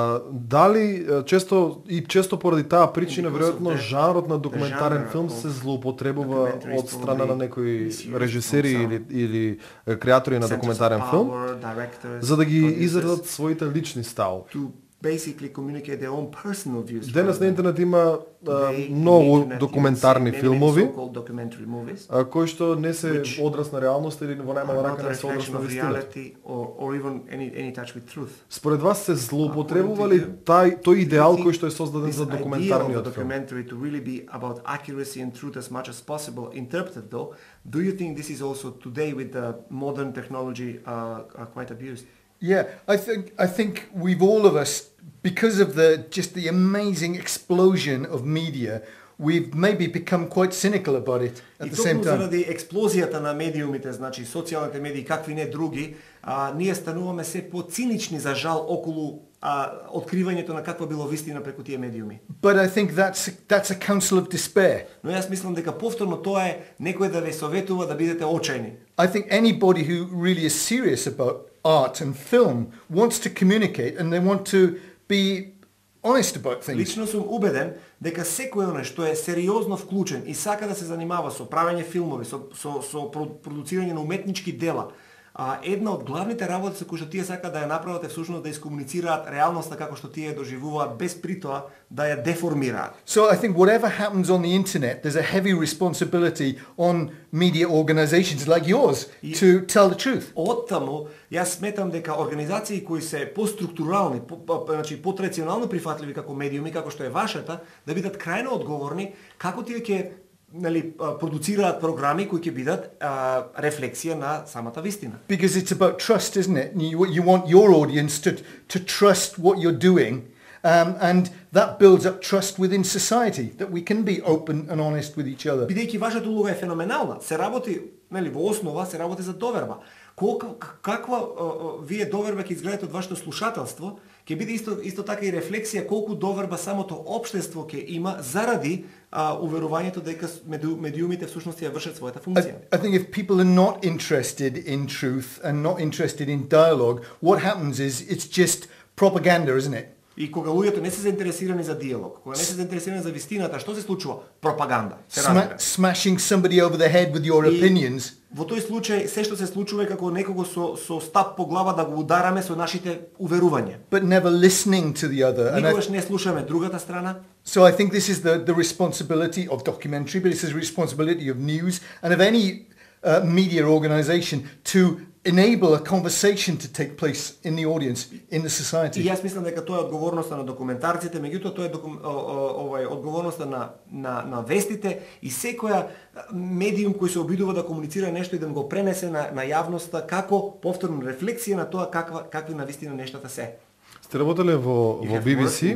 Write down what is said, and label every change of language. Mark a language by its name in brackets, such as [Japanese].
[Macedonian] Дали често поради таа причина веројатно жанрот на документарен филм се злоупотребува од страна на некои режисери или креатори на документарен филм за да ги изразат своите лични ставови? [English] Basically communicate their own personal views. [Macedonian] Денес на интернет има многу документарни филмови, кои што не се одраз на реалност или во најмала рака не се одраз на вистината. Според вас се злоупотребува ли тој идеал кој што е создаден за документарниот филм? [English] Documentary to really be about accuracy and truth as much as possible. Interpreted though, do you think this is also today with the modern technology quite abused? Yeah, I think we've all of us, because of the amazing explosion of media, we've maybe become quite cynical about it at the same time. [Macedonian] И токму заради експлозијата на медиумите, значи социјалните медии, какви не други, ние стануваме се поцинични за жал околу откривањето на каква било вистина преку тие медиуми. [English] But I think that's a counsel of despair. [Macedonian] Но јас мислам дека повторно тоа е некој да ве советува да бидете очајни. [English] I think anybody who really is serious about art and film wants to communicate and they want to be honest about things. [Macedonian] Лично сум убеден дека секој оној што е сериозно вклучен и сака да се занимава со правење филмови, со продуцирање на уметнички дела, една од главните работи со кои што тие сака да ја направат е всушност да искомуницираат реалноста како што тие ја доживуваат без притоа да ја деформираат. [English] So I think whatever happens on the internet, there's a heavy responsibility on media organizations like yours to tell the truth. [Macedonian] Оттаму јас сметам дека организации кои се поструктурални, потрадиционално прифатливи како медиуми, како што е вашата, да бидат крајно одговорни како тие ќе продуцираат програми кои ќе бидат рефлексија на самата вистина. [English] Because it's about trust, isn't it? You want your audience to trust what you're doing And that builds up trust within society, that we can be open and honest with each other. [Macedonian] Бидејќи вашата улога е феноменална, се работи, нели, во основа се работи за доверба. Колка, каква вие доверба ќе изградите од вашето слушателство, ќе биде исто така и рефлексија колку доверба самото општество ќе има заради уверувањето дека медиумите всушност ја вршат својата функција. [English] I think if people are not interested in truth and not interested in dialogue, what happens is it's just propaganda, isn't it? [Macedonian] И кога луѓето не се заинтересирани за диалог, кога не се заинтересирани за вистината, што се случува? Пропаганда. [English] Smashing somebody over the head with your opinions. [Macedonian] Во тој случај, се што се случува е како некого со стап по глава да го удараме со нашите уверувања. [English] But never listening to the other. [Macedonian] Никогаш не слушаме другата страна. [English] So I think this is the responsibility of documentary, but it's the responsibility of news and of any media organization to enable a conversation to take place in the audience, in the society. [Macedonian] И јас мислам дека тоа е одговорноста на документарците, меѓутоа тоа е одговорноста на вестите и секоја медиум кој се обидува да комуницира нешто и да го пренесе на јавноста, како повторно рефлексија на тоа какви на вистина нештата се. Сте работеле во BBC?